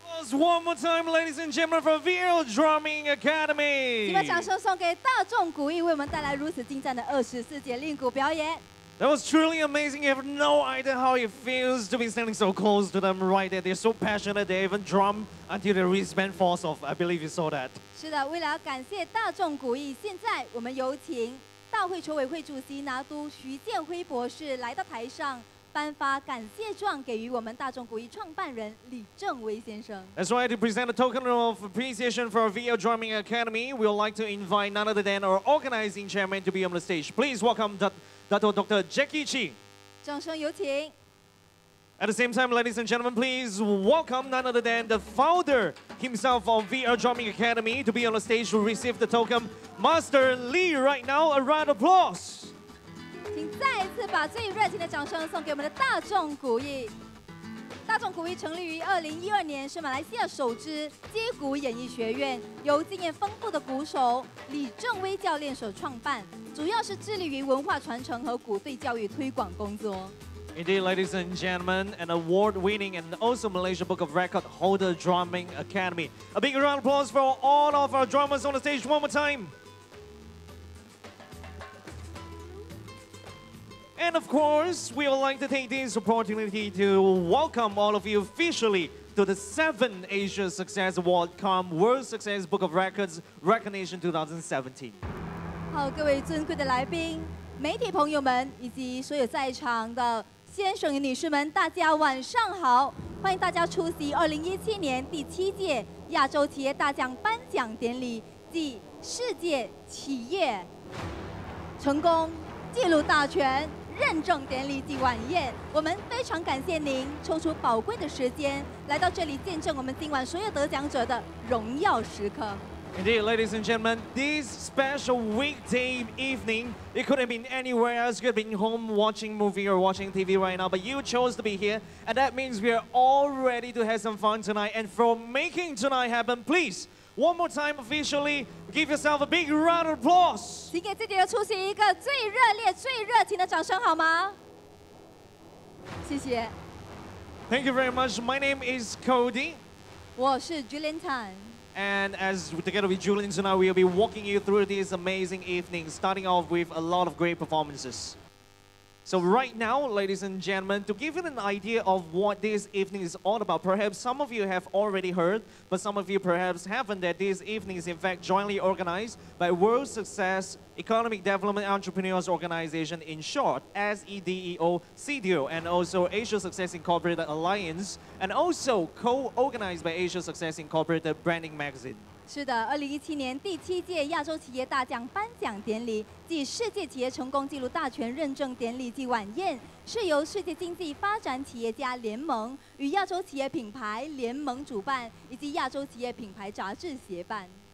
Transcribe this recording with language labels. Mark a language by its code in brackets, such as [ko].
[en] One more time, ladies and gentlemen, for VL Drumming Academy. [zh] 请把掌声送给大众鼓艺，为我们带来如此精湛的二十四节令鼓表演。 [en] That was truly amazing. You have no idea how it feels to be standing so close to them right there. They're so passionate. They even drum until their wristband falls off. I believe you saw that. [zh] 是的，为了感谢大众鼓艺，现在我们有请大会筹委会主席拿督徐建辉博士来到台上。颁发感谢状给予我们大众鼓艺创办人李正威先生。 [en] That's right, to present a token of appreciation for our VL Drumming Academy, we would like to invite none other than our organizing chairman to be on the stage. Please welcome Dr. Jackie Chi. [zh] 掌声有请。 [en] At the same time, ladies and gentlemen, please welcome none other than the founder himself of VL Drumming Academy to be on the stage to receive the token, Master Lee, right now. A round of applause. [zh] 请再一次把最热情的掌声送给我们的大众鼓艺。大众鼓艺成立于2012年，是马来西亚首支街鼓演艺学院，由经验丰富的鼓手李正威教练所创办，主要是致力于文化传承和鼓队教育推广工作。 [en] Indeed, ladies and gentlemen, an award-winning and also Malaysia Book of Record holder Drumming Academy. A big round of applause for all of our drummers on the stage one more time. And of course, we would like to take this opportunity to welcome all of you officially to the 7th Asia Success Award Com World Success Book of Records Recognition 2017. [zh] 好，各位尊贵的来宾、媒体朋友们以及所有在场的先生与女士们，大家晚上好！欢迎大家出席2017年第七届亚洲企业大奖颁奖典礼暨世界企业成功纪录大全。认证典礼暨晚宴，我们非常感谢您抽出宝贵的时间来到这里，见证我们今晚所有得奖者的荣耀时刻。 [en] Indeed, ladies and gentlemen, this special weekday evening, it could have been anywhere else. You could have been home watching movie or watching TV right now, but you chose to be here, and that means we are all ready to have some fun tonight. And for making tonight happen, please. One more time, officially, give yourself a big round of applause. [zh] 请给自己的出席一个最热烈、最热情的掌声，好吗？谢谢。 [en] Thank you very much. My name is Cody. [zh] 我是 Julian Tan. [en] And as together with Julian tonight, we'll be walking you through this amazing evening, starting off with a lot of great performances. So right now, ladies and gentlemen, to give you an idea of what this evening is all about, perhaps some of you have already heard, but some of you perhaps haven't, that this evening is in fact jointly organized by World Success Economic Development Entrepreneurs Organization, in short, SEDEO, CDEO, and also Asia Success Incorporated Alliance, and also co-organized by Asia Success Incorporated Branding Magazine. [zh] 是的，2017年第七届亚洲企业大奖颁奖典礼暨世界企业成功纪录大全认证典礼暨晚宴，是由世界经济发展企业家联盟与亚洲企业品牌联盟主办，以及亚洲企业品牌杂志协办。